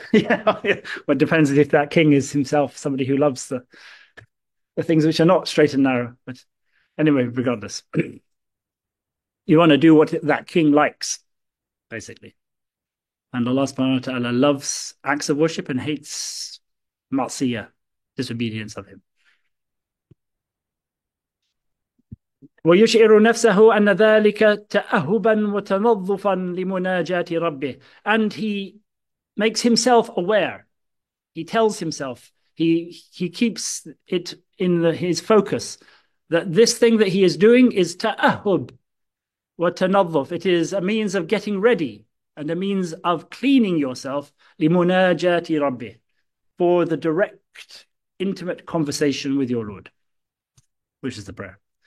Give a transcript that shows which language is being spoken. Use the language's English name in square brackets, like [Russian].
[English] Yeah, well, it depends if that king is himself somebody who loves the things which are not straight and narrow. But anyway, regardless, you want to do what that king likes, basically. And Allah subhanahu wa ta'ala loves acts of worship and hates ma'siyah, disobedience of him. [Arabic] ويشعر نفسه أن ذلك تأهبا وتنظفا لمناجاة ربه. [English] And he makes himself aware. He tells himself, he keeps it in his focus, that this thing that he is doing is [Arabic] تأهب وتنظف. [English] It is a means of getting ready and a means of cleaning yourself [Arabic] لمناجاة ربه, [English] for the direct, intimate conversation with your Lord, which is the prayer.